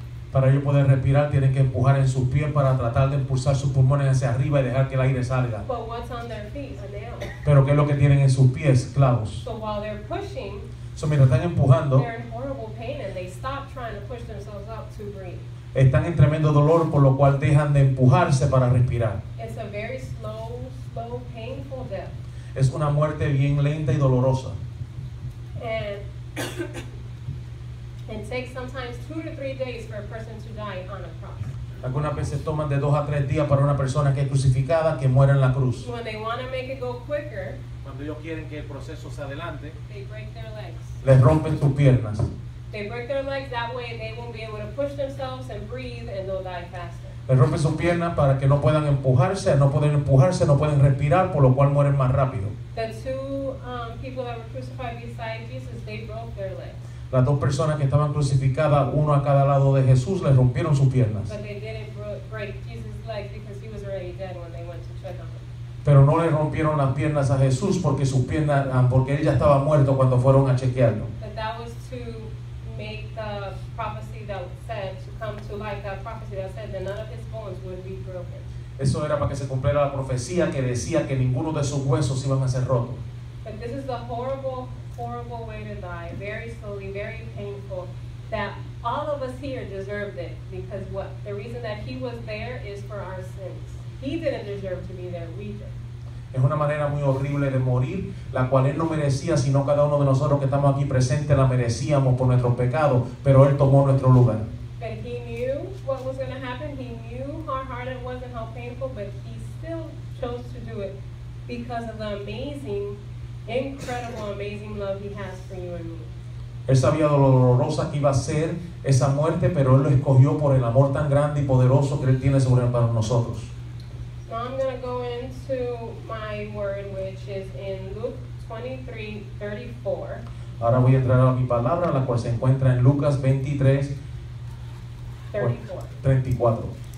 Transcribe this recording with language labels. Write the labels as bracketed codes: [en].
[es] Para ellos poder respirar tienen que empujar en sus pies para tratar de impulsar sus pulmones hacia arriba y dejar que el aire salga. [en] But what's on their feet? A nail. [es] Pero qué es lo que tienen en sus pies, clavos. [en] So while they're pushing, [es] so mientras están empujando, [en] they're in horrible pain and they stop trying to push themselves up to breathe. [es] Están en tremendo dolor por lo cual dejan de empujarse para respirar. [en] It's a very slow slow, painful death. [es] Es una muerte bien lenta y dolorosa. [en] And it takes sometimes 2 to 3 days for a person to die on a cross. [es] Algunas veces toman de 2 a 3 días para una persona que es crucificada, que muere en la cruz. [en] When they want to make it go quicker, [es] cuando ellos quieren que el proceso se adelante, [en] they break their legs. [es] Les rompen sus piernas. [en] They break their legs that way they won't be able to push themselves and breathe and they'll die faster. [es] Les rompen sus piernas para que no puedan empujarse, no pueden empujarse, no pueden respirar, por lo cual mueren más rápido. [en] The two people that were crucified beside Jesus, they broke their legs. [es] Las dos personas que estaban crucificadas, uno a cada lado de Jesús, les rompieron sus piernas. [en] But they didn't break Jesus' legs because he was already dead when they went to check on him. [es] Pero no le rompieron las piernas a Jesús porque sus piernas, porque él ya estaba muerto cuando fueron a chequearlo. [en] But that was to make the prophecy that said to come to life, that prophecy that said that none of his bones would be broken. [es] Eso era para que se cumpliera la profecía que decía que ninguno de sus huesos iban a ser rotos. [en] But this is the horrible way to die, very slowly, very painful, that all of us here deserved it, because what the reason that he was there is for our sins. He didn't deserve to be there, we did. [es] Es una manera muy horrible de morir, la cual él no merecía, sino cada uno de nosotros que estamos aquí presentes la merecíamos por nuestros pecados, pero él tomó nuestro lugar. [en] But he knew what was going to happen, he knew how hard it was and how painful, but he still chose to do it because of the amazing, incredible, amazing love he has for you and me. [es] Él sabía lo dolorosa que iba a ser esa muerte, pero él lo escogió por el amor tan grande y poderoso que él tiene sobre para nosotros. [en] Now I'm going to go into my word, which is in Luke 23:34. [es] Ahora voy a entrar a mi palabra, la cual se encuentra en Lucas 23:34.